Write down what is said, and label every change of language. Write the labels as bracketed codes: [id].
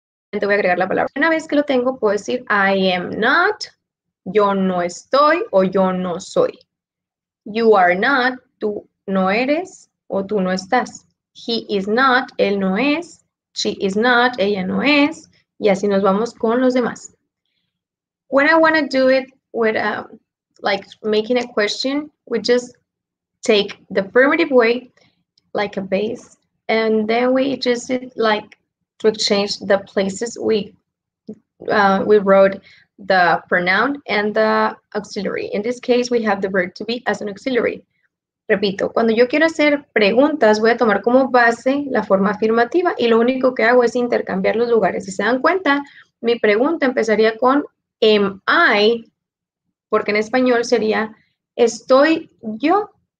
[es] Solamente voy a agregar la palabra. Una vez que lo tengo, puedo decir [en] I am not, [es] yo no estoy o yo no soy. [en] You are not, [es] tú no eres o tú no estás. [en] He is not, [es] él no es. [en] She is not, [es] ella no es. Y así nos vamos con los demás. [en] When I want to do it with like making a question, we just take the affirmative way, like a base, and then we just like to change the places we wrote the pronoun and the auxiliary. In this case, we have the verb to be as an auxiliary. [es] Repito, cuando yo quiero hacer preguntas, voy a tomar como base la forma afirmativa y lo único que hago es intercambiar los lugares. Si se dan cuenta, mi pregunta empezaría con [en] am I, [es] porque en español sería estoy yo.